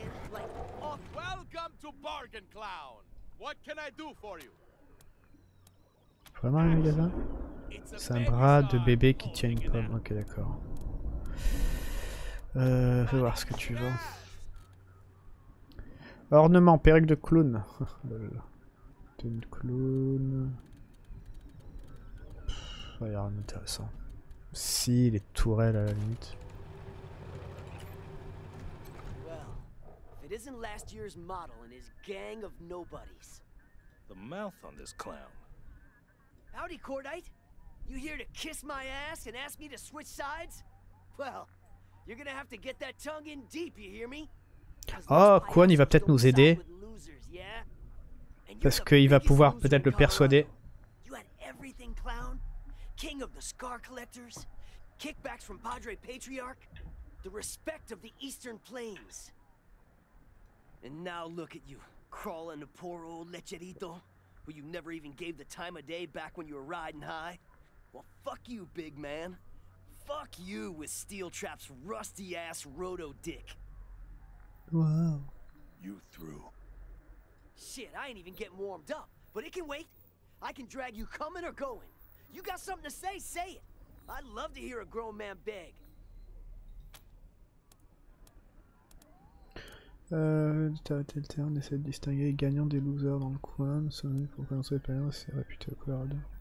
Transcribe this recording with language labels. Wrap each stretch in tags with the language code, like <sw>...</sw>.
<en>Welcome to Bargain Clown. What can I do for you?</en> <fr>Vraiment un magasin? C'est un bras de bébé qui tient une pomme. Ok, d'accord. Fais voir ce que tu vends. Ornement, perruque de clown. Une clown. Pff, ouais, rien d'intéressant. Si, les tourelles à la limite.</fr> <en>Well, if it isn't last year's model and his gang of nobodies. The mouth on this clown. Howdy, Cordite. You here to kiss my ass and ask me to switch sides? Well, you're gonna have to get that tongue in deep, you hear me?</en> <fr>Oh, Quan, il va peut-être nous aider.</fr> <en>Losers, yeah?</en> <fr>Parce qu'il va pouvoir peut-être le persuader.</fr> <en>You had everything, clown. King of the Scar Collectors. Kickbacks from Padre Patriarch. The respect of the Eastern Plains. And now look at you, crawling to poor old Lecherito, who you never even gave the time of day back when you were riding high. Well, fuck you, big man. Fuck you with Steel Trap's rusty-ass roto dick. Wow. You threw. Shit, I ain't even getting warmed up, but it can wait. I can drag you coming or going. You got something to say, say it. I'd love to hear a grown man beg.</en> <fr>Tel, on essaie de distinguer les gagnants des losers dans le coin. Nous sommes venus pour commencer par là, c'est réputé au Colorado.</fr>